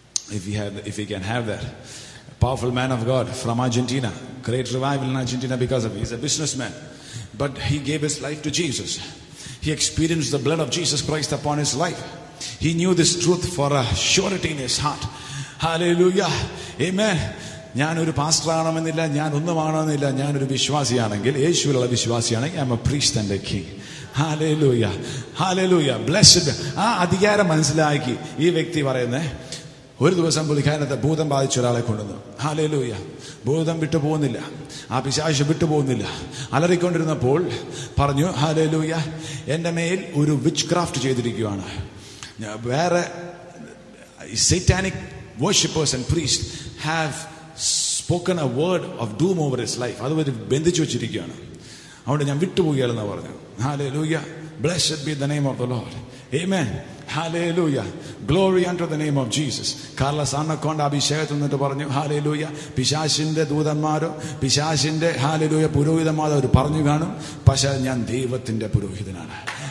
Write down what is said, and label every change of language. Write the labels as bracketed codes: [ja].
[en] If we can have that. A powerful man of God from Argentina. Great revival in Argentina because of him. He's a businessman. But he gave his life to Jesus. He experienced the blood of Jesus Christ upon his life. He knew this truth for a surety in his heart. Hallelujah. Amen. [ml] ഞാനൊരു pastor ആണെന്നില്ല, ഞാൻ ഒന്നും ആണെന്നില്ല, ഞാനൊരു വിശ്വാസിയാണെങ്കിൽ, യേശുവിലുള്ള വിശ്വാസിയാണെങ്കിൽ, [en] I am a priest and a king. [ml] Hallelujah, hallelujah, blessed. ആ അധികാരം മനസ്സിലാക്കി ഈ വ്യക്തി പറയുന്നേ. ഒരു ദിവസം പുള്ളിക്കാരനത്തെ ഭൂതം ബാധിച്ച ഒരാളെ കൊണ്ടുവന്നു. ഹല്ലേലൂയ, ഭൂതം വിട്ടുപോകുന്നില്ല, ആ പിശാച് വിട്ടുപോകുന്നില്ല. അലറിക്കൊണ്ടിരുന്നപ്പോൾ പറഞ്ഞു, ഹല്ലേലൂയ, എന്റെ മേൽ ഒരു വിച്ച് ക്രാഫ്റ്റ് ചെയ്തിരിക്കുകയാണ്. വേറെ [en] Satanic worshippers and priest have spoken a word of doom over his life. [ml] അതുവരെ ബന്ധിച്ചു വെച്ചിരിക്കുകയാണ്. അതുകൊണ്ട് ഞാൻ വിട്ടുപോകുകയല്ലെന്ന് പറഞ്ഞു. [en] Hallelujah, blessed be the name of the Lord. Amen. [ml] Hallelujah, [en] Glory under the name of Jesus. [ml] Carlos അണ്ണക്കോണ്ട അഭിഷേകത്തിൽ നിന്നിട്ട് പറഞ്ഞു, hallelujah, പിശാചിന്റെ ദൂതന്മാരോ, പിശാചിന്റെ hallelujah പുരോഹിതന്മാരോ അവർ പറഞ്ഞു കാണും, പക്ഷേ ഞാൻ ദൈവത്തിന്റെ പുരോഹിതനാണ്.